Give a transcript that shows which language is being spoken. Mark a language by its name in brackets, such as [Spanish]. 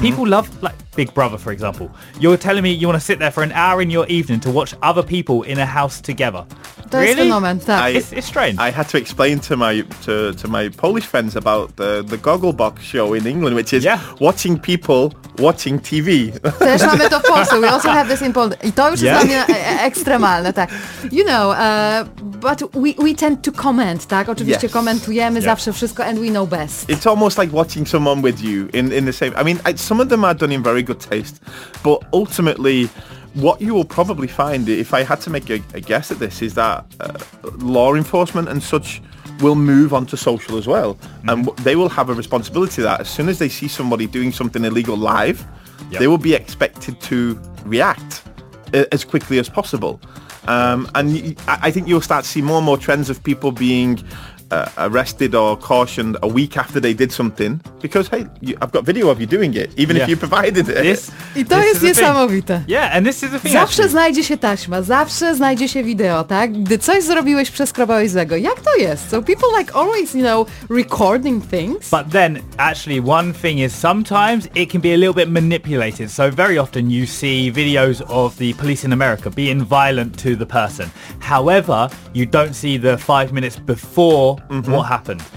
[English] People love, like, Big Brother, for example. You're telling me you want to sit there for an hour in your evening to watch other people in a house together. That's really? Phenomenal. It's strange. I had to explain to my Polish friends about the the Gogglebox show in England, which is watching people watching TV. [Polish] Też mamy to w Polsce. [English] We also have this in Poland. [Polish] I to już jest dla mnie ekstremalne, tak. [English] You know, but we tend to comment, tak? [Polish] Oczywiście komentujemy zawsze wszystko [English] and we know best. It's almost like watching someone with you in the same... I mean, some of them are done in very good taste, but ultimately... What you will probably find, if I had to make a guess at this, is that law enforcement and such will move on to social as well. Mm-hmm. And they will have a responsibility that as soon as they see somebody doing something illegal live, they will be expected to react as quickly as possible. And I think you'll start to see more and more trends of people being... arrested or cautioned a week after they did something, because hey, I've got video of you doing it, even if you provided it. [Polish] I to jest niesamowite. [English] Yeah, and this is the thing. [Polish] Zawsze znajdzie się taśma, zawsze znajdzie się wideo, tak? Gdy coś zrobiłeś, przeskrobałeś złego. Jak to jest? [English] So people like always, you know, recording things. But then, actually, one thing is sometimes it can be a little bit manipulated. So very often you see videos of the police in America being violent to the person. However, you don't see the 5 minutes before what happened.